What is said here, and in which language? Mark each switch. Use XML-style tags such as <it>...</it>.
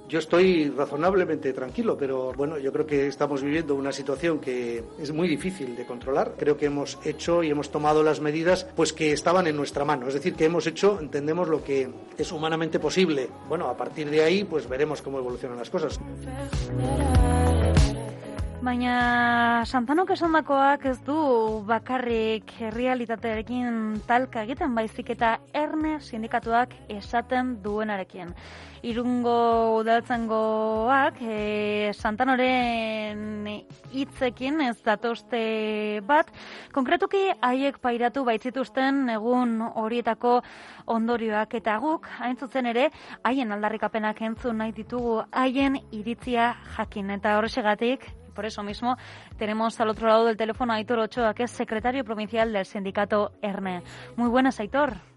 <es>Yo estoy razonablemente tranquilo, pero bueno, yo creo que estamos viviendo una situación que es muy difícil de controlar. Creo que hemos hecho y hemos tomado las medidas pues que estaban en nuestra mano. Es decir, que hemos hecho, entendemos, lo que es humanamente posible. Bueno, a partir de ahí pues veremos cómo evolucionan las cosas.</es> <eu>Baina Santanok esandakoak ez du bakarrik realitatearekin talka egiten baizik eta Erne sindikatuak esaten duenarekin. Irungo udaltzaingoak Santanoren hitzekin ez datoste bat, konkretuki haiek pairatu baitzituzten egun horietako ondorioak eta guk, hain zuzen ere, haien aldarrikapenak entzun nahi ditugu, haien iritzia jakin eta horrexegatik.</eu> <es>Por eso mismo tenemos al otro lado del teléfono a Aitor Ochoa, que es secretario provincial del sindicato ERNE. Muy buenas, Aitor.</es>